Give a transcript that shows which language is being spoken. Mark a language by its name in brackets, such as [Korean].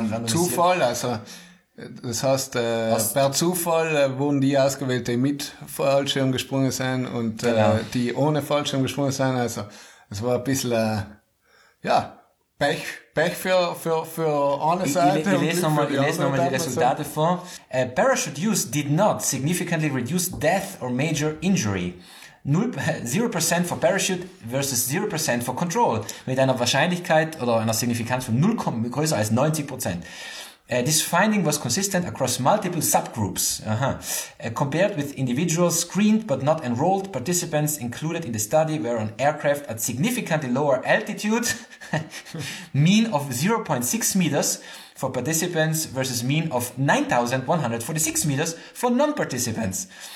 [German] Zufall, also das heißt, per Zufall wurden die ausgewählt, die mit Fallschirm gesprungen sind und die ohne Fallschirm gesprungen sind, also es war ein bisschen, ja, Pech für eine Seite. Ich lese nochmal die Resultate vor. [English] Parachute use did not significantly reduce death or major injury. 0% for parachute versus 0% for control. [German] Mit einer Wahrscheinlichkeit oder einer Signifikanz von 0 größer als 90%. [English] This finding was consistent across multiple subgroups. Compared with individuals screened but not enrolled, participants included in the study were on aircraft at significantly lower altitude, mean of 0.6 meters for participants versus mean of 9,146 meters for non-participants.